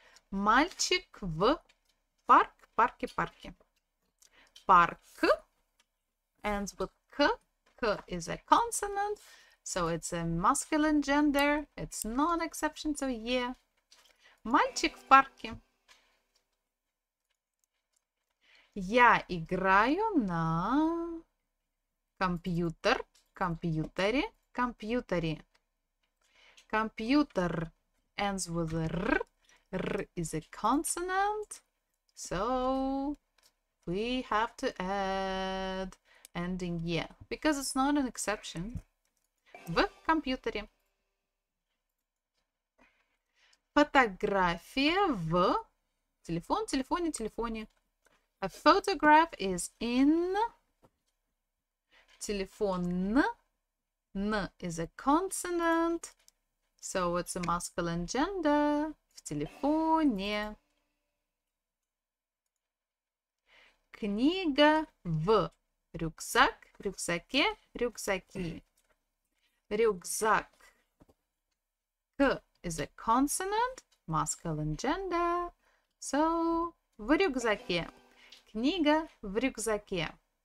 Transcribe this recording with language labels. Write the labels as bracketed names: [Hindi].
[Russian] Мальчик в парк, парке, парке. [English] Парк ends with к. К is a consonant, so it's a masculine gender. It's non-exception, so yeah. [Russian] Мальчик в парке. Я играю на компьютер, компьютере, компьютере. [English] Компьютер ends with р. R is a consonant, so we have to add ending е, because it's not an exception. [Russian] В компьютере. Фотография в телефон, телефоне, телефоне. [English] A photograph is in телефон. Н is a consonant, so it's a masculine gender. [Russian] Телефоне. Книга в рюкзак, рюкзаке, рюкзаки. [English] Рюкзак. К is a consonant, masculine gender. So, [Russian] в рюкзаке. Книга в рюкзаке.